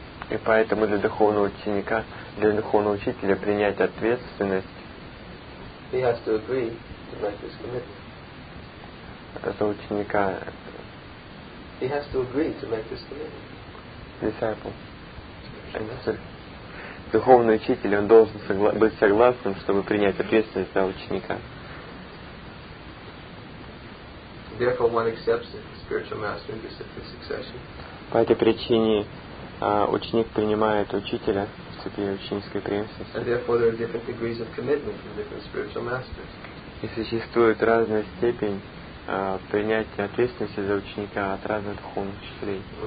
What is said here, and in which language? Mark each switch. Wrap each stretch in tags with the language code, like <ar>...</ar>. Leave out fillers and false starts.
<ru>И поэтому для духовного ученика, для духовного учителя принять ответственность за ученика.</ru> <en>He has to agree to make this commitment. Disciple.</en> <ru>Духовный учитель, он должен быть согласным, чтобы принять ответственность за ученика.</ru> <en>Therefore, one accepts the spiritual master in disciplic succession.</en> <ru>По этой причине ученик принимает учителя в цепи ученической преемственности. И существует разная степень принятия ответственности за ученика от разных духовных учителей.</ru>